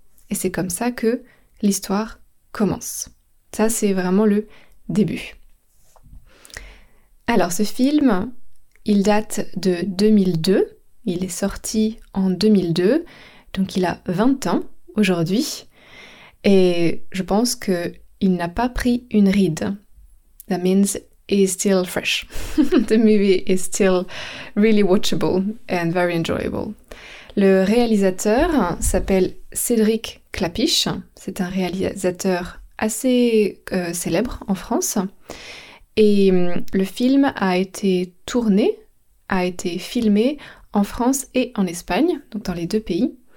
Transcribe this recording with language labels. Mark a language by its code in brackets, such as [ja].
[fr] Et c'est comme ça que l'histoire commence. Ça, c'est vraiment le début. Alors, ce film, il date de 2002. Il est sorti en 2002. Donc, il a 20 ans aujourd'hui. Et je pense que il n'a pas pris une ride. [en] That means he's still fresh. The movie is still really watchable and very enjoyable. [fr] Le réalisateur s'appelle Cédric Clapiche. C'est un réalisateur assez célèbre en France. Et le film a été tourné, a été filmé en France et en Espagne, donc dans les deux pays.